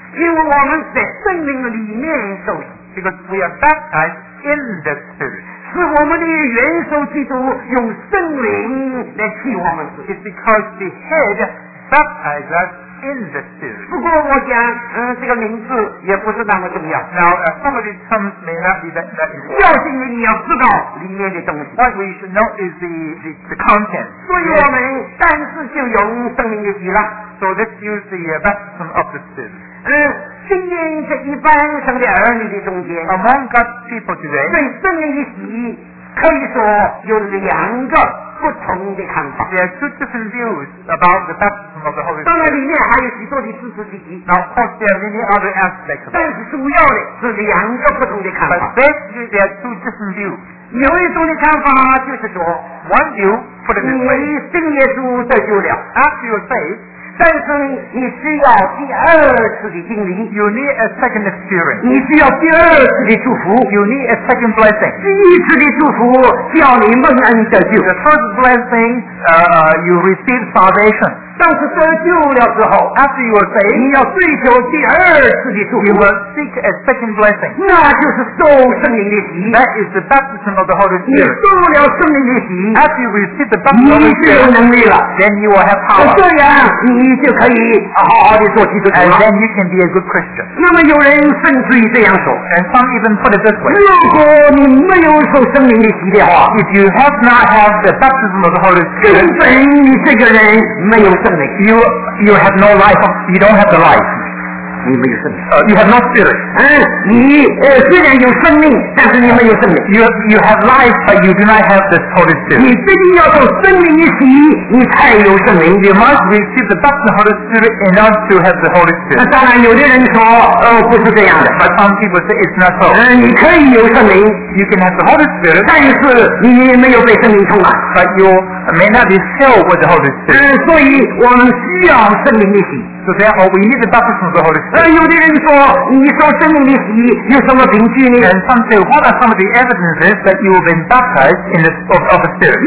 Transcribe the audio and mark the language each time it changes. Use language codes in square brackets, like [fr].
[zh] 因为我们在圣灵里面受洗 [en] Because we are baptized in the Spirit. [zh] 是我们的元首基督用圣灵来洗我们 [en] It's because the head baptized us. In the spirit. [zh] 不过我想，这个名字也不是那么重要。 [en] Now, some of these terms may not be that important. [zh] 要是你要知道里面的东西。 [en] What we should know is the content. [zh] 所以我们但是就用圣灵的洗了。 [en] So let's use the baptism of the spirit. [zh] 今天在一般神的儿女的中间。 [en] Among God's people today. [zh] 对圣灵的洗可以说有两个。不同的看法。 [en] There are two different views about the baptism of the Holy Spirit. [zh] 当然里面还有许多的知识问题。 [en] Now, of course, there are many other aspects. [zh] 但是主要的是两个不同的看法。 [en] But basically, there are two different views. [zh] 有一种的看法就是说 [en] ，One view for the [zh] faith. 你信耶稣得救了。 [en] After your faith. [zh] 但是你需要第二次的经历 [en] You need a second experience [zh] 你需要第二次的祝福 [en] You need a second blessing [zh] 第一次的祝福叫你蒙恩得救 [en] The first blessing you receive salvation [zh] 但是得救了之后 [en] After you are saved [zh] 你要追求第二次的祝福 [en] You will seek a second blessing [zh] 那就是受圣灵的洗 [en] That is the baptism of the Holy Spirit [zh] 你受了圣灵的洗 [en] After you receive the baptism of the Holy Spirit [zh] 你就有能力了 [en] Then you will have power [zh] 这样你就可以好好地做基督徒了。 [en] And then you can be a good Christian. [zh] 那么有人甚至于这样说。 [en] And some even put it this way. [zh] 如果你没有受圣灵的洗的话。 [en] If you have not had the baptism of the Holy Spirit. [zh] 根本你这个人没有圣灵。 [en] You have no life. You don't have the life. [zh] 你没有圣灵。 [en] You have no spirit. [zh] 你虽然有生命但是你没有圣灵。 [en] You have life, but you do not have the Holy Spirit. [zh] 你必须要受圣灵的洗你才有圣灵。 [en] You must receive the baptism of the Holy Spirit in order to have the Holy Spirit. [zh] 当然有的人说不是这样的。 [en] But some people say it's not so. [zh] 你可以有圣灵。 [en] You can have the Holy Spirit. [zh] 但是你没有被圣灵充满。 [en] But you may not be filled with the Holy Spirit. [zh] 所以我们需要圣灵的洗。 [en] So therefore, we need the baptism of the Holy Spirit. [zh] 有的人说你受圣灵的洗有什么凭据呢 [en] And some say, what are some of the evidences that you have been baptized in the of the Spirit?